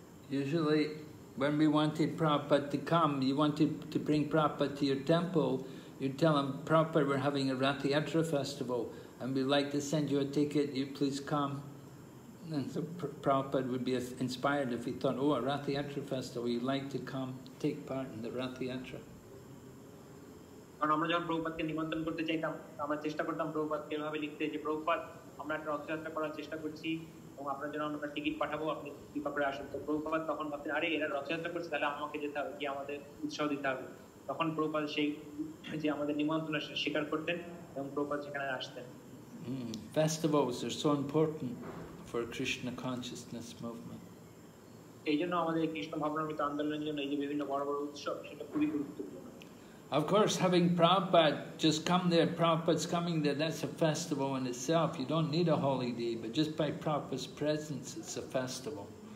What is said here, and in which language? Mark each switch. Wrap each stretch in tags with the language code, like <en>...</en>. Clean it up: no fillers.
<en>Usually, when we wanted Prabhupada to come, you wanted to bring Prabhupada to your temple, you'd tell him, Prabhupada, we're having a Rathyatra festival, and we'd like to send you a ticket, you please come. And so Prabhupada would be inspired if he thought, oh, a Rathyatra festival, you'd like to come, take part in the Rathyatra.</en> <bn>কারণ আমরা যখন প্রভুপাদকে নিমন্ত্রণ করতে চাইতাম আমরা চেষ্টা করতাম প্রভুপাদকে এভাবে লিখতে যে প্রভুপাদ আমরা একটা রথযাত্রা করার চেষ্টা করছি এবং আপনার জন্য আমরা টিকিট পাঠাবো আপনি কৃপা করে আসুন তো প্রভুপাদ তখন ভাবতেন আরে এরা রথযাত্রা করছে তাহলে আমাকে যেতে হবে কি আমাদের উৎসাহ দিতে হবে তখন প্রভুপাদ সেই যে আমাদের নিমন্ত্রণ স্বীকার করতেন এবং প্রভুপাদ সেখানে আসতেন</bn> <en>Festivals are so important for Krishna consciousness movement.</en> <bn>এই জন্য আমাদের কৃষ্ণ ভাবনামৃত আন্দোলনের জন্য এই যে বিভিন্ন বড় বড় উৎসব সেটা খুবই গুরুত্বপূর্ণ</bn> <en>Of course, having Prabhupada just come there, Prabhupada's coming there, that's a festival in itself. You don't need a holy day, but just by Prabhupada's presence, it's a festival.</en>